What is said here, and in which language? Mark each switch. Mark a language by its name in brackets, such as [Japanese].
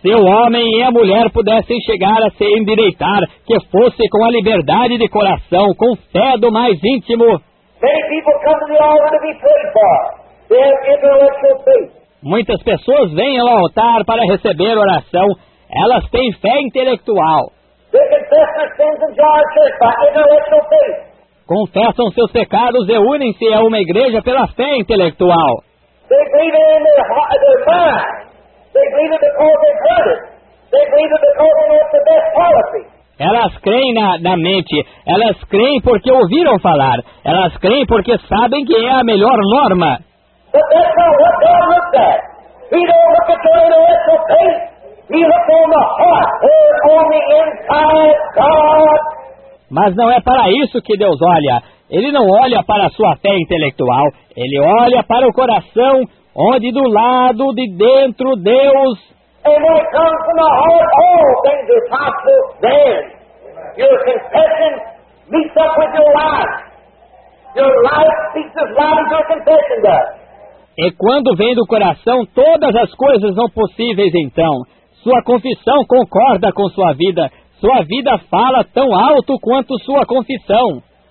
[Portuguese] se o homem e a mulher pudessem chegar a se endireitar, que fosse com a liberdade de coração, com fé do mais íntimo. [English] Many people come to the altar to be prayed for. They have intellectual faith. [Portuguese] Muitas pessoas vêm ao altar para receber oração. Elas têm fé intelectual. [English] They confess their sins and join a church by intellectual faith. [Portuguese] Confessam seus pecados e unem-se a uma igreja pela fé intelectual. [English] They believe it in their mind. They believe it because they've heard it. They believe it because they know it's the best policy. [Portuguese] Elas creem na mente. Elas creem porque ouviram falar. Elas creem porque sabem que é a melhor norma. [English] But that's not what God looks at. He don't look at your intellectual faith. He looks on the heart. He's on the inside God. [Portuguese] Mas não é para isso que Deus olha. Ele não olha para a sua fé intelectual. Ele olha para o coração, onde do lado de dentro Deus... [English] And when it comes from the heart, all things are possible then. Your confession meets up with your life. Your life speaks as loud as your confession does. [Portuguese] E quando vem do coração, todas as coisas são possíveis então. Sua confissão concorda com sua vida. Sua vida fala tão alto quanto sua confissão.